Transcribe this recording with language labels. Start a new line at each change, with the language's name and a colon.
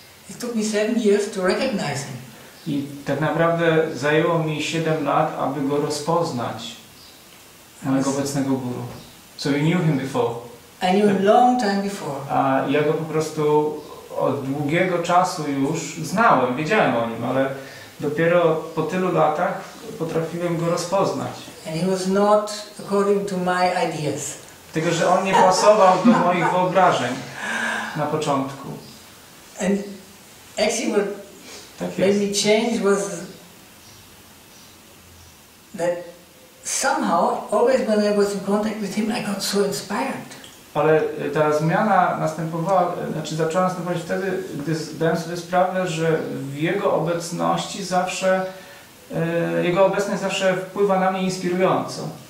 English: It took me 7 years to recognize him.
Polish: I tak naprawdę zajęło mi 7 lat, aby go rozpoznać, mojego obecnego guru.
English: So you knew him before? I knew him long time before.
Polish: A ja go po prostu od długiego czasu już znałem, wiedziałem o nim, ale dopiero po tylu latach potrafiłem go rozpoznać.
English: And he was not according to my ideas.
Polish: Tylko że on nie pasował do moich wyobrażeń na początku.
English: And actually what tak made me change was that somehow, always when I was in contact with him, I got so inspired.
Polish: Ale ta zmiana następowała, znaczy zaczęła następować wtedy, gdy zdałem sobie sprawę, że w jego obecności zawsze, jego obecność zawsze wpływa na mnie inspirująco.